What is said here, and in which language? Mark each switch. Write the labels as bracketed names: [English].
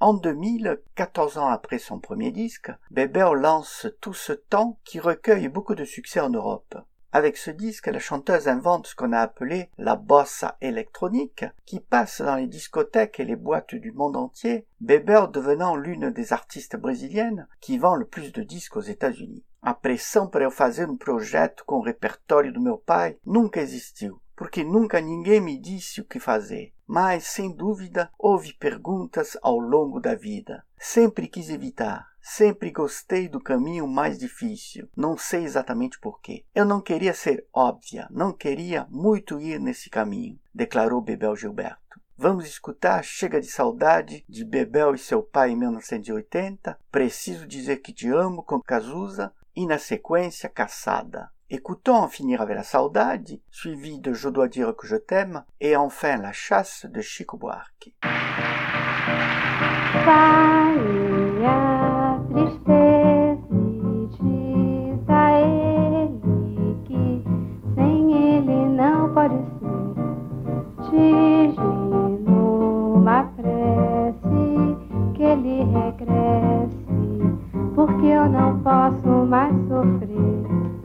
[French] En 2000, 14 ans après son premier disque, Bebel lance « Tout ce temps » qui recueille beaucoup de succès en Europe. Avec ce disque, la chanteuse invente ce qu'on a appelé « la bossa électronique » qui passe dans les discothèques et les boîtes du monde entier, Bebel devenant l'une des artistes brésiliennes qui vend le plus de disques aux États-Unis. [Portuguese] « Après sempre eu fazer projeto com o repertório do meu pai, nunca existiu, porque nunca ninguém me disse o que fazer. » Mas, sem dúvida, houve perguntas ao longo da vida. Sempre quis evitar. Sempre gostei do caminho mais difícil. Não sei exatamente porquê. Eu não queria ser óbvia. Não queria muito ir nesse caminho, declarou Bebel Gilberto. Vamos escutar Chega de Saudade de Bebel e seu pai em 1980. Preciso dizer que te amo com Cazuza. E na sequência, Caçada. [French] Écoutons en finir avec la saudade, suivi de Je dois dire que je t'aime, et enfin la chasse de Chico Buarque. [Portuguese] Saia, tristeza, diz a ele que sem ele não pode ser. Diz-lhe numa prece que ele regresse, porque eu não posso mais sofrer.